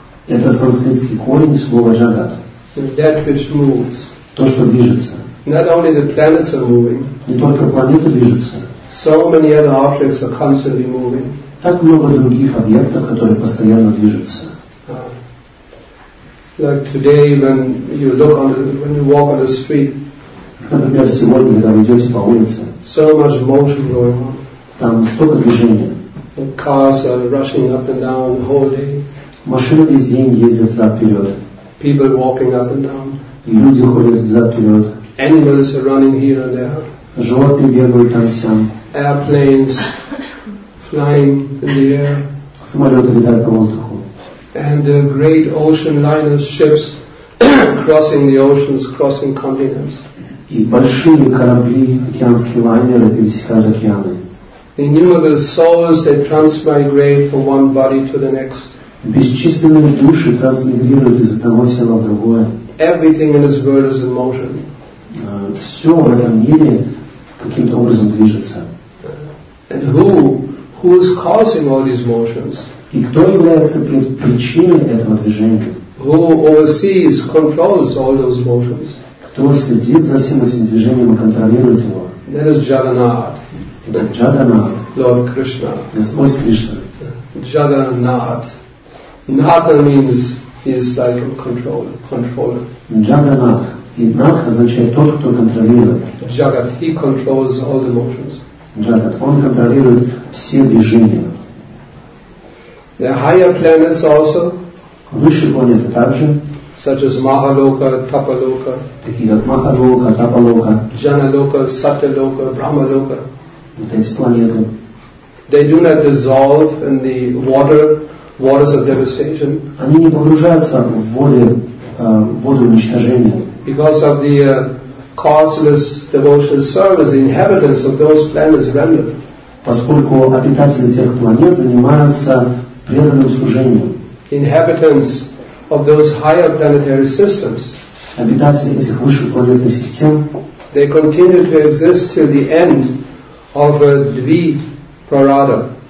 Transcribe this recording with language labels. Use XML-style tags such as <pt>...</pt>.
<ru>Это санскритский корень слова джагат.</ru> <en>That which moves.</en> <ru>То, что движется.</ru> <en>Not only the planets are moving.</en> <ru>Не только планеты движутся.</ru> <en>So many other objects are constantly moving.</en> <ru>Так много других объектов, которые постоянно движутся.</ru> <en>Like today, when you look on, when you walk on the street.</en> <ru>Например, сегодня, когда вы идете по улице.</ru> <en>So much motion going on.</en> <ru>Там столько движения.</ru> <en>The cars are rushing up and down the whole day.</en> <ru>Машины весь день ездят взад-вперед.</ru> <en>People walking up and down.</en> <ru>Люди ходят взад-вперед.</ru> <en>Animals are running here and there.</en> <ru>Животные бегают там-сям.</ru> <en>Airplanes flying in the air.</en> <ru>Самолеты летают по воздуху.</ru> <en>And the great ocean liners, ships crossing the oceans, crossing continents.</en> <ru>И большие корабли, океанские лайнеры пересекают океаны.</ru> <en>Innumerable souls that transmigrate from one body to the next.</en> <ru>Бесчисленные души трансмигрируют из одного тела в другое.</ru> <en>Everything in this world is in motion.</en> <ru>Все в этом мире каким-то образом движется.</ru> <en>And who is causing all these motions?</en> <ru>И кто является причиной этого движения?</ru> <en>Who oversees, controls all those motions?</en> <ru>Кто следит за всем этим движением и контролирует его?</ru> <en>That is Jagannath.</en> <ru>Это Джаганнат.</ru> <en>Lord Krishna.</en> <ru>Господь Кришна.</ru> <en>Jagannath. Natha means he is like a controller. Jagannath.</en> <ru>И Натх означает тот, кто контролирует.</ru> <en>Jagat, he controls all the motions.</en> <ru>Jagat, он контролирует все движения.</ru> <en>The higher planets also.</en> <ru>Высшие планеты также.</ru> <en>Such as Mahaloka, Tapaloka.</en> <ru>Такие как Махалока, Тапалока. Джаналока, Сатялока, Брахмалока. Вот эти планеты.</ru> <en>They do not dissolve in the waters of devastation.</en> <ru>Они не погружаются в воды уничтожения.</ru> <en>Because of the causeless devotional service, the inhabitants of those planets render.</en> <ru>Поскольку обитатели тех планет занимаются преданным служением.</ru> <en>Inhabitants of those higher planetary systems.</en> <ru>Обитатели этих высших планетных систем.</ru> <en>They continue to exist till the end of Dvi Prarada.</en>